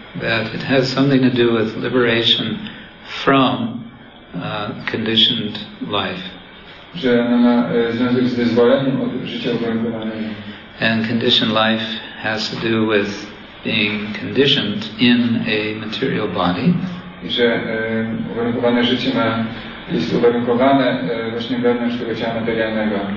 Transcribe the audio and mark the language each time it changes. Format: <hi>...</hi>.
<en>That it has something to do with liberation from conditioned life.</en> <pl>Że ona ma związek z wyzwoleniem od życia uwarunkowanego.</pl> <en>And conditioned life has to do with being conditioned in a material body.</en> <pl>I że uwarunkowane życie ma, jest uwarunkowane właśnie wewnątrz tego ciała materialnego.</pl>